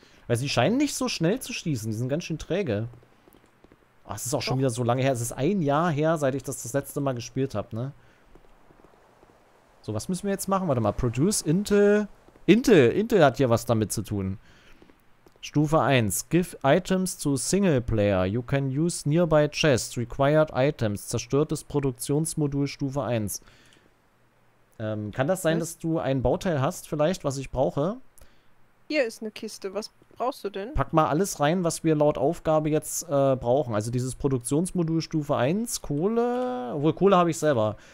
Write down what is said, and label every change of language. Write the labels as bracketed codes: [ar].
[de] Weil sie scheinen nicht so schnell zu schießen. Die sind ganz schön träge. Ach, es ist auch doch schon wieder so lange her. Es ist ein Jahr her, seit ich das letzte Mal gespielt habe, ne? So, was müssen wir jetzt machen? Warte mal. [en] Produce Intel. [de] Intel hat hier was damit zu tun. Stufe 1. [en] Give items to Singleplayer. You can use nearby chests. Required items. [de] Zerstörtes Produktionsmodul Stufe 1. Kann das sein, was? Dass du ein Bauteil hast, vielleicht, was ich brauche? Hier ist eine Kiste. Was brauchst du denn? Pack mal alles rein, was wir laut Aufgabe jetzt brauchen. Also dieses Produktionsmodul Stufe 1, Kohle. Obwohl, Kohle habe ich selber.